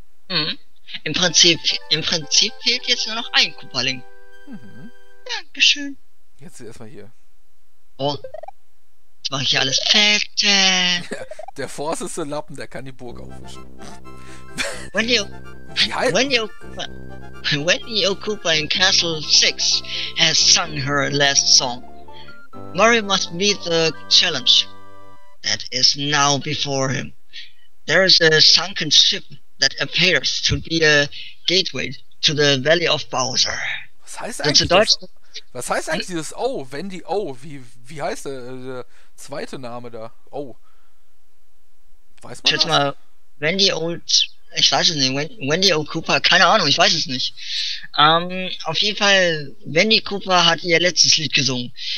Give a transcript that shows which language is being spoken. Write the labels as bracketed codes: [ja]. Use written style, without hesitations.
[de] Mhm. Im Prinzip fehlt jetzt nur noch ein Koopaling. Mhm. Dankeschön. Jetzt erstmal hier. Oh. Jetzt mache ich hier alles fett. Der Force ist ein Lappen, der kann die Burg aufwischen. [en] When your Koopa in Castle 6 has sung her last song, Mario must meet the challenge. that is now before him. There is a sunken ship that appears to be a gateway to the Valley of Bowser. [de] Was heißt eigentlich das? Was heißt eigentlich dieses O? Oh, Wendy O? Oh, wie heißt der zweite Name da? O? Oh. Weiß man das? Schätz mal, Wendy O. Ich weiß es nicht. Wendy O. Cooper. Keine Ahnung, ich weiß es nicht. Auf jeden Fall, Wendy Cooper hat ihr letztes Lied gesungen.